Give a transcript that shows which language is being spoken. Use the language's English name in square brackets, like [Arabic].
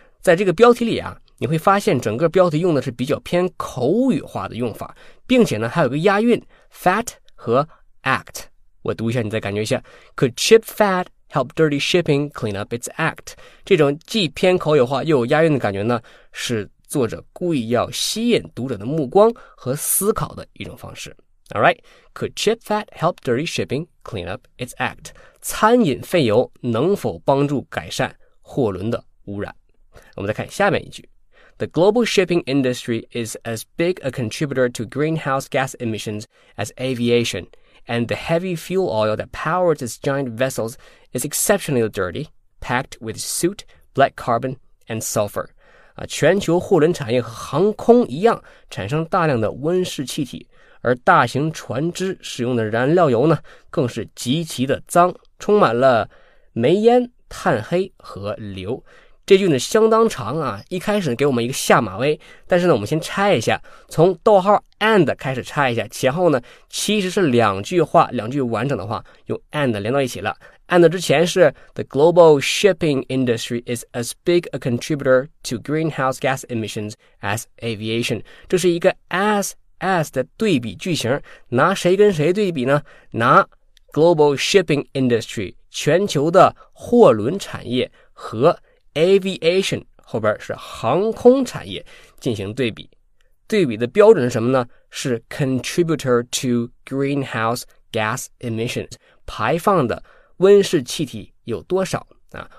[Chinese] 在这个标题里啊，你会发现整个标题用的是比较偏口语化的用法，并且呢还有个押韵 fat 和 act, 我读一下你再感觉一下。 [English] Could chip fat help dirty shipping clean up its act? [Chinese] 这种既偏口语化又有押韵的感觉呢，是作者故意要吸引读者的目光和思考的一种方式。 [English] Alright, could chip fat help dirty shipping clean up its act? [Chinese] 餐饮废油能否帮助改善货轮的污染？我们再看下面一句。 [English] The global shipping industry is as big a contributor to greenhouse gas emissions as aviation, and the heavy fuel oil that powers its giant vessels is exceptionally dirty, packed with soot, black carbon, and sulfur. [Chinese] 全球货轮产业和航空一样产生大量的温室气体，而大型船只使用的燃料油呢更是极其的脏，充满了煤烟、碳黑和硫。这句呢相当长啊，一开始给我们一个下马威，但是呢我们先拆一下，从逗号 and 开始拆一下，前后呢其实是两句话，两句完整的话用 and 连到一起了。 [English] And [Chinese] 之前是 [English] The global shipping industry is as big a contributor to greenhouse gas emissions as aviation. [Chinese] 这是一个 as 的对比句型，拿谁跟谁对比呢？拿 [English] global shipping industry [Chinese] 全球的货轮产业和 aviation 后边是航空产业进行对比。对比的标准是什么呢？是 [English] contributor to greenhouse gas emissions [Chinese] 排放的温室气体有多少啊？